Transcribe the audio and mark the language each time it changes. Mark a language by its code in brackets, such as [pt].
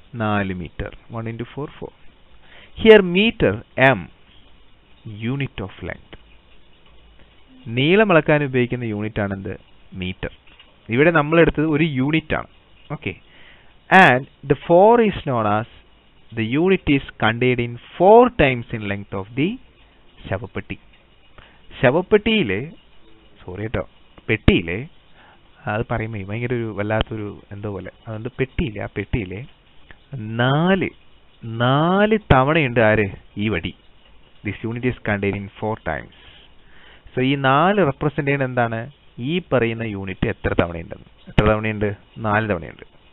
[en] 4 metre, 1 into 4, 4. Here metre M, unit of length. [ml] നീളം അളക്കാൻ ഉപയോഗിക്കുന്ന യൂണിറ്റ് ആണെന്ത്? മീറ്റർ. ഇവിടെ നമ്മളെടുത്തത് ഒരു യൂണിറ്റാണ്. Okay. [en] And the 4 is known as The unit is contained in four times in length of the ശവപ്പെട്ടി. [ml] ശവപ്പെട്ടിയിലെ, sorry കേട്ടോ, പെട്ടിയിലെ, അത് പറയുമ്പോൾ ഭയങ്കര ഒരു വല്ലാത്തൊരു എന്തോ പോലെ, അതുകൊണ്ട് പെട്ടിയിലെ, ആ പെട്ടിയിലെ നാല് നാല് തവണയുണ്ട് ആര്, ഈ വടി. [en] This unit is contained in four times. [ml] So ഈ നാല് റെപ്രസെൻ്റ് ചെയ്യുന്ന എന്താണ്, ഈ പറയുന്ന യൂണിറ്റ് എത്ര തവണയുണ്ടെന്ന്. എത്ര തവണയുണ്ട്? നാല് തവണയുണ്ട്.